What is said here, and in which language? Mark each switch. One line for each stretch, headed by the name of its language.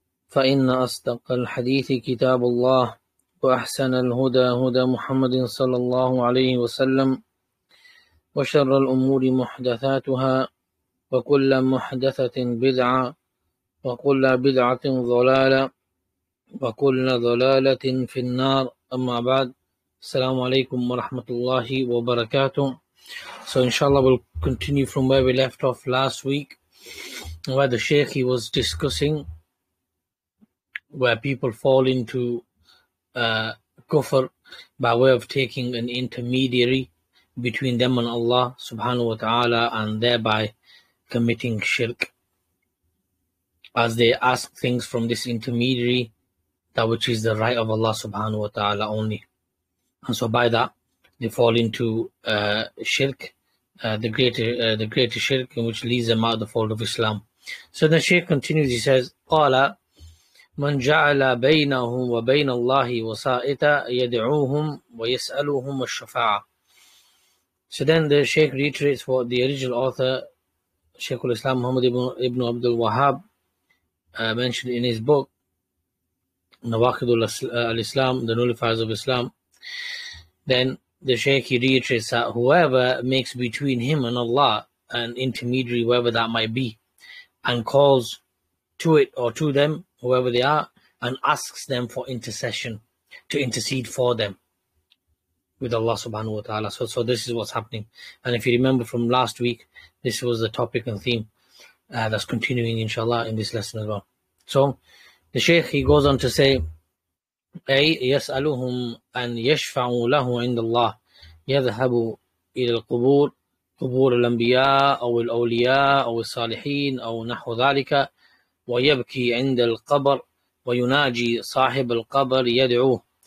Arabic: فإن أصدق الحديث كتاب الله وأحسن الهدى هدى محمد صلى الله عليه وسلم وشر الأمور محدثاتها وكل محدثة بدعة وكل بدعة ضلالة وكل ضلالة في النار أما بعد السلام عليكم ورحمة الله وبركاته.
English: So inshallah we'll continue from where we left off last week, where the Shaykh, he was discussing where people fall into kufr by way of taking an intermediary between them and Allah subhanahu wa ta'ala, and thereby committing shirk, as they ask things from this intermediary, that which is the right of Allah subhanahu wa ta'ala only. And so by that, they fall into shirk, the greater shirk, in which leads them out of the fold of Islam. So the Shaykh continues, he says, Qala,
Arabic: من جعل بينه وبين الله وسائطا يدعوهم ويسألوهم الشفاعة.
English: So then the Shaykh reiterates what the original author, Shaykh al-Islam Muhammad ibn Abdul Wahab, mentioned in his book, Nawaqid al-Islam, the Nullifiers of Islam. Then the Shaykh, he reiterates that whoever makes between him and Allah an intermediary, whoever that might be, and calls to it or to them, whoever they are, and asks them for intercession, to intercede for them with Allah subhanahu wa ta'ala. So this is what's happening. And if you remember from last week, this was the topic and theme that's continuing, inshallah, in this lesson as well. So the Shaykh, he goes on to say,
Arabic: أي يسألهم أن يشفعوا له عند الله يذهبوا إلى القبور قبور الأنبياء أو الأولياء أو الصالحين أو نحو ذلك ويبكي عند القبر ويناجي صاحب القبر يدعوه